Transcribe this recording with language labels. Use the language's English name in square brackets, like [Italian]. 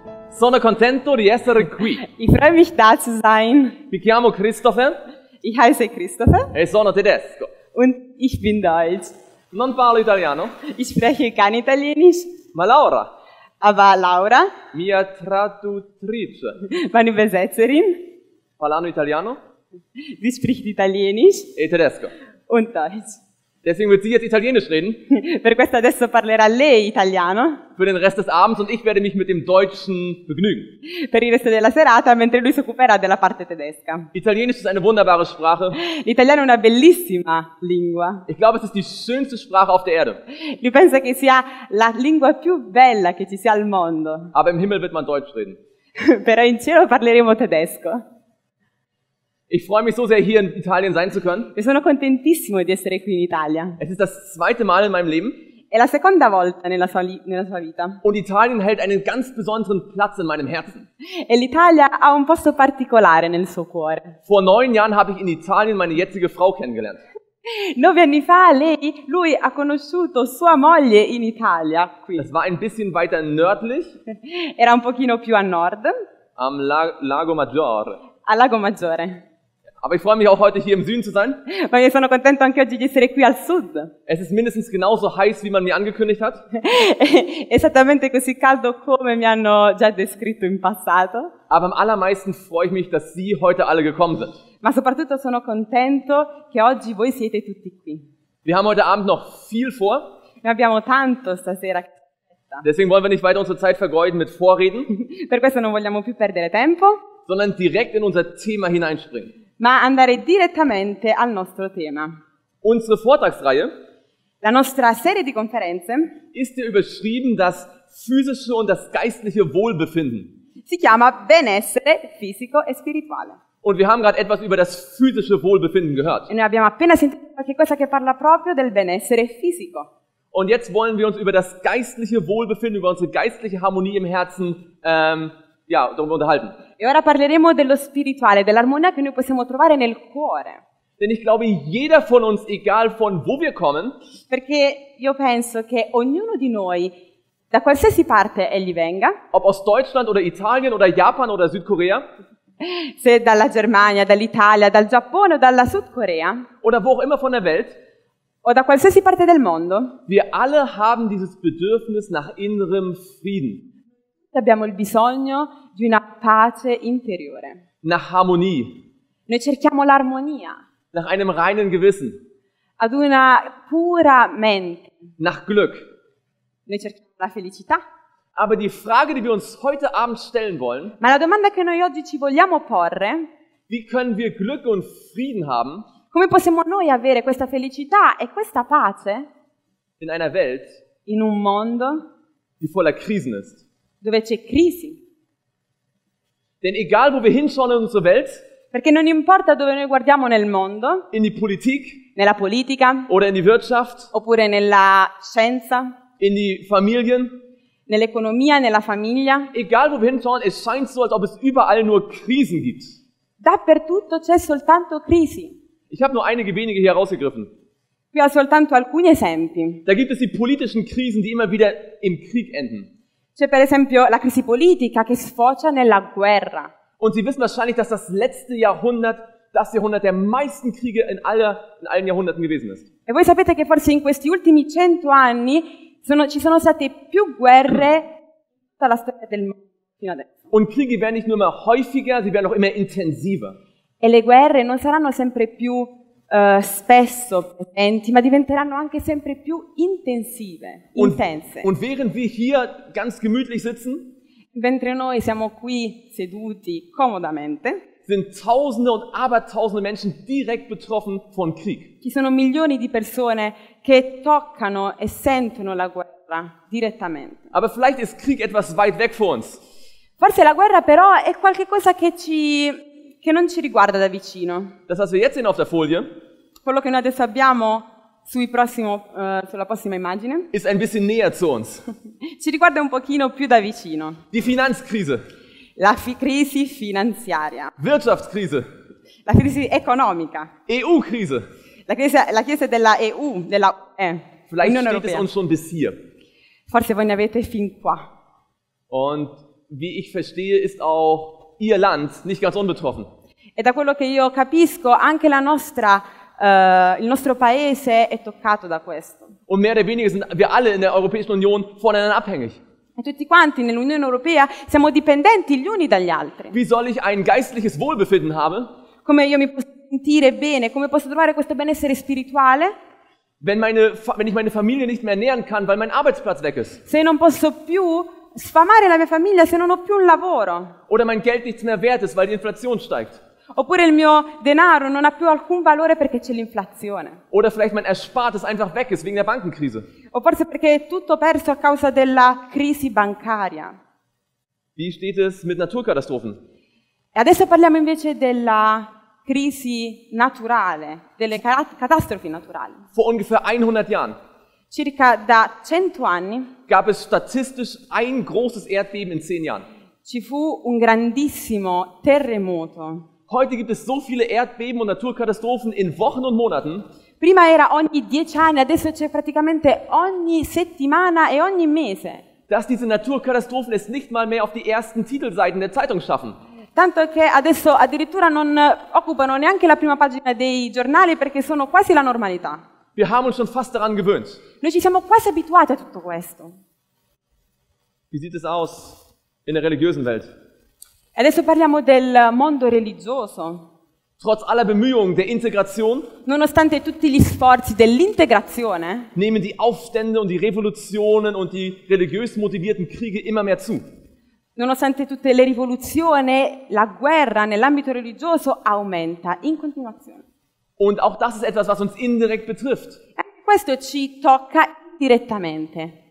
[Italian] Sono contento di essere qui. [German] Ich freue mich, da zu sein. [Italian] Mi chiamo Christopher. [German] Ich heiße Christopher. [Italian] E sono tedesco. [German] Und ich bin deutsch. [Italian] Non parlo italiano. [German] Ich spreche kein Italienisch. [Italian] Ma Laura. [German] Aber Laura. [Italian] Mia traduttrice. [German] Meine Übersetzerin. [Italian] Parlano italiano. [German] Sie spricht Italienisch. [Italian] E tedesco. [German] Und deutsch. Deswegen wird sie jetzt Italienisch reden. [Italian] Per questo adesso parlerà lei italiano. [German] Für den Rest des Abends und ich werde mich mit dem Deutschen begnügen. [Italian] Per il resto della serata, mentre lui si occuperà della parte tedesca. [German] Italienisch ist eine wunderbare Sprache. [Italian] L'italiano è una bellissima lingua. [German] Ich glaube, es ist die schönste Sprache auf der Erde. [Italian] Lui pensa che sia la lingua più bella che ci sia al mondo. [German] Aber im Himmel wird man Deutsch reden. [Italian] Però in cielo parleremo tedesco. [German] Ich freue mich so sehr, hier in Italien sein zu können. [Italian] Io sono contentissimo di essere qui in Italia. [German] Es ist das zweite Mal in meinem Leben. [Italian] È la seconda volta nella sua vita. [German] Und Italien hält einen ganz besonderen Platz in meinem Herzen. [Italian] E l'Italia ha un posto particolare nel suo cuore. [German] Vor 9 Jahren habe ich in Italien meine jetzige Frau kennengelernt. [Italian] 9 anni fa lui ha conosciuto sua moglie in Italia qui. [German] Das war ein bisschen weiter nördlich. [Italian] Era un pochino più a nord. [German] Am Lago Maggiore. [Italian] Al Lago Maggiore. [German] Aber ich freue mich auch heute hier im Süden zu sein. [Italian] Ma io sono contento anche oggi di essere qui al sud. [German] Es ist mindestens genauso heiß, wie man mir angekündigt hat. [Italian] Esattamente così caldo come mi hanno già descritto in passato. [German] Aber am allermeisten freue ich mich, dass Sie heute alle gekommen sind. [Italian] Ma soprattutto sono contento che oggi voi siete tutti qui. [German] Wir haben heute Abend noch viel vor. [Italian] Ne abbiamo tanto stasera. [German] Deswegen wollen wir nicht weiter unsere Zeit vergeuden mit Vorreden. [Italian] Per questo non vogliamo più perdere tempo. [German] Sondern direkt in unser Thema hineinspringen. [Italian] Ma andare direttamente al nostro tema. [German] Unsere Vortragsreihe. [Italian] La nostra serie di conferenze. [German] Ist ja überschrieben das physische und das geistliche Wohlbefinden. [Italian] Si chiama benessere fisico e spirituale. [German] Und wir haben gerade etwas über das physische Wohlbefinden gehört. [Italian] E noi abbiamo appena sentito qualcosa che parla proprio del benessere fisico. [German] Und jetzt wollen wir uns über das geistliche Wohlbefinden, über unsere geistliche Harmonie im Herzen, darüber unterhalten. [Italian] E ora parleremo dello spirituale, dell'armonia che noi possiamo trovare nel cuore. [German] Denn ich glaube, jeder von uns, egal von wo wir kommen, [Italian] perché io penso che ognuno di noi, da qualsiasi parte egli venga, [German] ob aus Deutschland oder Italien oder Japan oder Südkorea, [Italian] se dalla Germania, dall'Italia, dal Giappone o dalla Sudkorea, [German] oder wo auch immer von der Welt, [Italian] o da qualsiasi parte del mondo, [German] wir alle haben dieses Bedürfnis nach innerem Frieden. [Italian] Abbiamo il bisogno di una pace interiore. [German] Nach Harmonie. [Italian] Noi cerchiamo l'armonia. [German] Nach einem reinen Gewissen. [Italian] Ad una pura mente. [German] Nach Glück. [Italian] Noi cerchiamo la felicità. [German] Aber die Frage, die wir uns heute Abend stellen wollen, [Italian] ma la domanda che noi oggi ci vogliamo porre, [German] wie können wir Glück und Frieden haben, [Italian] come possiamo noi avere questa felicità e questa pace [German] in einer Welt, [Italian] in un mondo, [German] die voller Krisen ist. [Italian] Dove c'è crisi. [German] Denn egal wo wir hinschauen in unsere Welt, [Italian] perché non importa dove noi guardiamo nel mondo, [German] in die Politik, [Italian] nella politica, [German] oder in die Wirtschaft, [Italian] oppure nella scienza, [German] in die Familien, [Italian] nell'economia, nella famiglia, [German] egal wo wir hinschauen, es scheint so, als ob es überall nur Krisen gibt. [Italian] Dappertutto c'è soltanto crisi. [German] Ich habe nur einige wenige hier rausgegriffen. [Italian] Qui ho soltanto alcuni esempi. [German] Da gibt es die politischen Krisen, die immer wieder im Krieg enden. [Italian] C'è per esempio la crisi politica che sfocia nella guerra. [German] Und Sie wissen wahrscheinlich, dass das letzte Jahrhundert das Jahrhundert der meisten Kriege in allen Jahrhunderten gewesen ist. [Italian] E voi sapete che forse in questi ultimi 100 anni ci sono state più guerre tutta la storia del mondo fino adesso. [German] Und Kriege werden nicht nur immer häufiger, sie werden auch immer intensiver. [Italian] E le guerre non saranno sempre più spesso presenti, ma diventeranno anche sempre più intensive, intense. [German] Und während wir hier ganz gemütlich sitzen, [Italian] mentre noi siamo qui seduti comodamente, [German] sind tausende und abertausende Menschen direkt betroffen von Krieg. [Italian] Ci sono milioni di persone che toccano e sentono la guerra direttamente. [German] Aber vielleicht ist Krieg etwas weit weg für uns. [Italian] Forse la guerra però è qualcosa che non ci riguarda da vicino. [German] Das, was wir jetzt sehen auf der Folie, [Italian] quello che noi adesso abbiamo sulla prossima immagine, [German] ist ein bisschen näher zu uns. [Italian] Ci riguarda un pochino più da vicino. [German] Die Finanzkrise. [Italian] La crisi finanziaria. [German] Wirtschaftskrise. [Italian] La crisi economica. [German] EU-Krise. [Italian] La crisi della EU, della UE. [German] Vielleicht steht es uns schon bis hier. [Italian] Forse voi ne avete fin qua. [German] Und wie ich verstehe, ist auch ihr Land nicht ganz unbetroffen. [Italian] E da quello che io capisco, anche la nostra il nostro paese è toccato da questo. [German] Und mehr oder weniger sind wir alle in der Europäischen Union voneinander abhängig. [Italian] E tutti quanti nell'Unione Europea siamo dipendenti gli uni dagli altri. [German] Wie soll ich ein geistliches Wohlbefinden haben? [Italian] Come io mi posso sentire bene, come posso trovare questo benessere spirituale? [German] Wenn ich meine Familie nicht mehr ernähren kann, weil mein Arbeitsplatz weg ist. [Italian] Se non posso più sfamare la mia famiglia, se non ho più un lavoro. [German] Oder mein Geld nichts mehr wert ist, weil die Inflation steigt. [Italian] Oppure il mio denaro non ha più alcun valore perché c'è l'inflazione. [German] Oder vielleicht mein Erspartes einfach weg ist wegen der Bankenkrise. [Italian] O forse perché è tutto perso a causa della crisi bancaria. [German] Wie steht es mit Naturkatastrophen? [Italian] E adesso parliamo invece della crisi naturale, delle catastrofi naturali. [German] Vor ungefähr 100 Jahren. [Italian] Circa da 100 anni. [German] Gab es statistisch ein großes Erdbeben in 10 Jahren. [Italian] Ci fu un grandissimo terremoto. [German] Heute gibt es so viele Erdbeben und Naturkatastrophen in Wochen und Monaten. [Italian] Prima era ogni 10 anni, adesso c'è praticamente ogni settimana e ogni mese. [German] Dass diese Naturkatastrophen es nicht mal mehr auf die ersten Titelseiten der Zeitung schaffen. [Italian] Tanto che adesso addirittura non occupano neanche la prima pagina dei giornali perché sono quasi la normalità. [German] Wir haben uns schon fast daran gewöhnt. [Italian] Noi ci siamo quasi abituati a tutto questo. [German] Wie sieht es aus in der religiösen Welt? [Italian] Adesso parliamo del mondo religioso. [German] Trotz aller Bemühungen der Integration, [Italian] nonostante tutti gli sforzi dell'integrazione, [German] nehmen die Aufstände und die Revolutionen und die religiös motivierten Kriege immer mehr zu. [Italian] Nonostante tutte le rivoluzioni, la guerra nell'ambito religioso aumenta in continuazione. [German] Und auch das ist etwas, was uns indirekt betrifft. [Italian] Questo ci tocca direttamente.